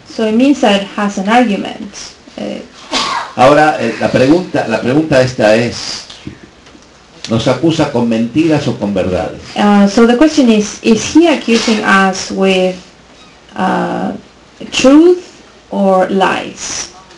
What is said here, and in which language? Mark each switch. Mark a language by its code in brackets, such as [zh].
[en] So it means that it has an argument. [es] Ahora, la pregunta esta es, ¿nos acusa con mentiras o con verdades? [en] So the question is he accusing us with truth or lies?